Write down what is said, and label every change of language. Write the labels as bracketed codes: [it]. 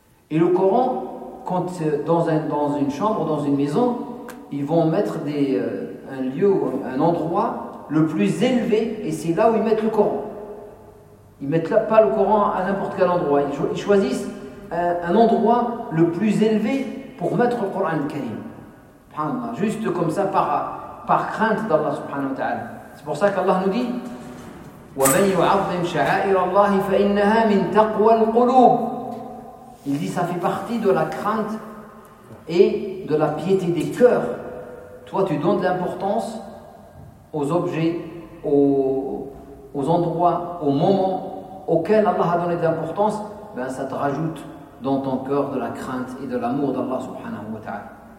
[fr] Et le Coran, quand dans une chambre, dans une maison, ils vont mettre un lieu, un endroit le plus élevé, et c'est là où ils mettent le Coran. Ils ne mettent pas le Coran à n'importe quel endroit. Ils choisissent un endroit le plus élevé pour mettre le Coran al-Karim. Subhanallah. Juste comme ça, par crainte d'Allah subhanahu wa ta'ala. C'est pour ça qu'Allah nous dit [ar] وَمَنْ يُعَظِّمْ شَعَائِرَ اللَّهِ فَإِنَّهَا مِنْ تَقْوَى الْقُلُوبِ. [fr] Il dit ça fait partie de la crainte et de la piété des cœurs. Toi, tu donnes de l'importance aux objets, aux endroits, aux moments auxquels Allah a donné de l'importance, ben ça te rajoute dans ton cœur de la crainte et de l'amour d'Allah subhanahu wa ta'ala.